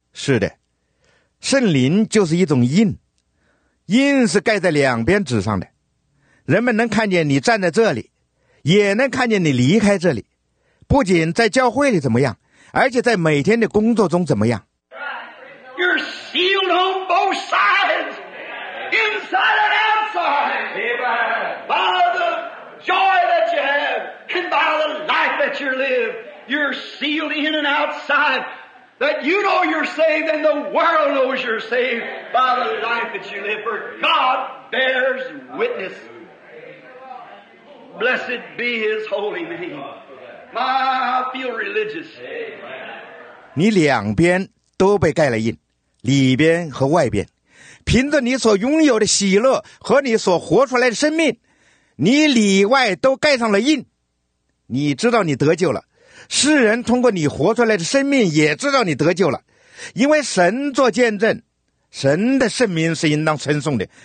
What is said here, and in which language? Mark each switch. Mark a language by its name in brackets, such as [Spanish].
[Chinese] 是的，圣灵就是一种印，印是盖在两边纸上的，人们能看见你站在这里，也能看见你离开这里，不仅在教会里怎么样，而且在每天的工作中怎么样。 [English] You're sealed on both sides, inside and outside, by the joy that you have and by the life that you live. You're sealed in and outside, that you know you're saved and the world knows you're saved by the life that you live. For God bears witness. Blessed be his holy name. I feel religious. [Chinese] 你两边都被盖了印，里边和外边，凭着你所拥有的喜乐和你所活出来的生命，你里外都盖上了印。你知道你得救了，世人通过你活出来的生命也知道你得救了，因为神做见证，神的圣名是应当称颂的。